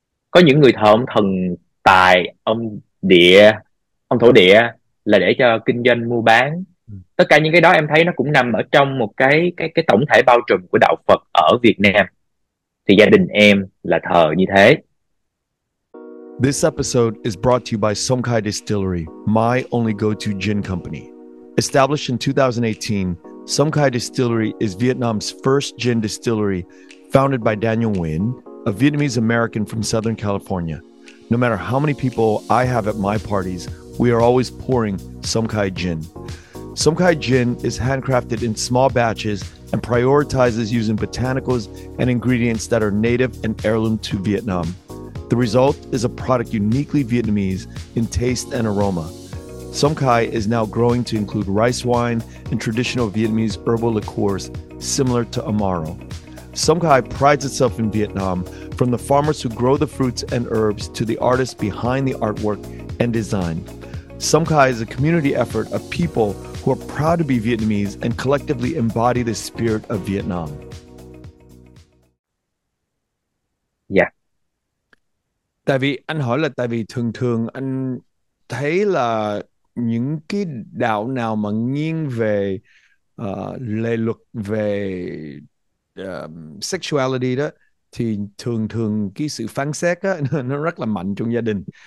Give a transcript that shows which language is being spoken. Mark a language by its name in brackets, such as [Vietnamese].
[Vietnamese] Có những người thờ ông thần tài, ông địa, ông thổ địa là để cho kinh doanh mua bán. Tất cả những cái đó em thấy nó cũng nằm ở trong một cái tổng thể bao trùm của đạo Phật ở Việt Nam. Thì gia đình em là thờ như thế. [English] This episode is brought to you by Songkhai Distillery, my only go-to gin company. Established in 2018, Songkhai Distillery is Vietnam's first gin distillery, founded by Daniel Nguyen, a Vietnamese American from Southern California. No matter how many people I have at my parties, we are always pouring Songkhai gin. Songkhai gin is handcrafted in small batches and prioritizes using botanicals and ingredients that are native and heirloom to Vietnam. The result is a product uniquely Vietnamese in taste and aroma. Songkhai is now growing to include rice wine and traditional Vietnamese herbal liqueurs similar to Amaro. Songkhai prides itself in Vietnam, from the farmers who grow the fruits and herbs to the artists behind the artwork and design. Songkhai is a community effort of people who are proud to be Vietnamese and collectively embody the spirit of Vietnam. [Vietnamese] Tại vì anh hỏi là tại vì thường thường anh thấy là những cái đạo nào mà nghiêng về lề luật về sexuality đó thì thường thường cái sự phán xét đó, nó rất là mạnh trong gia đình.